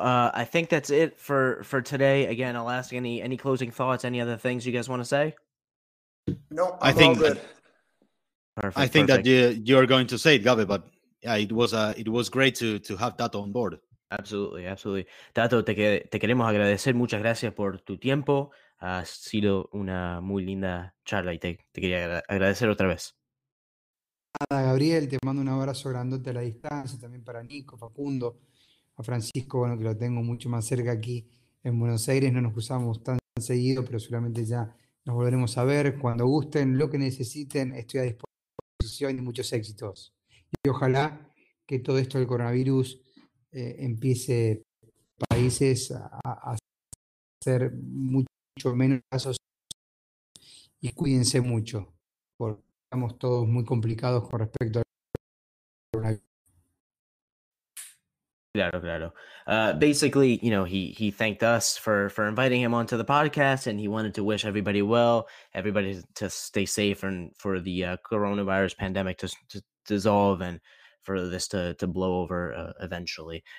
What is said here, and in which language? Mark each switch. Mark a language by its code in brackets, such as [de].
[en] I think that's it for today. Again, I'll ask any closing thoughts, any other things you guys want to say? No, I think all good. I think that you're going to say it, Gabe, but yeah, it was great to have Tato on board. Absolutely, absolutely. [es] Tato, te queremos agradecer. Muchas gracias por tu tiempo. Ha sido una muy linda charla y te quería agradecer otra vez. Nada, Gabriel, te mando un abrazo grandote a la distancia, también para Nico, Facundo, a Francisco, bueno, que lo tengo mucho más cerca aquí en Buenos Aires. No nos cruzamos tan seguido, pero seguramente ya nos volveremos a ver. Cuando gusten, lo que necesiten, estoy a disposición, y muchos éxitos. Y ojalá que todo esto del coronavirus empiece países a hacer mucho menos casos y cuídense mucho, porque estamos todos muy complicados con respecto al coronavirus. Claro, claro. [en] Basically, you know, he thanked us for inviting him onto the podcast, and he wanted to wish everybody well, everybody to stay safe, and for the coronavirus pandemic to dissolve, and for this to blow over eventually.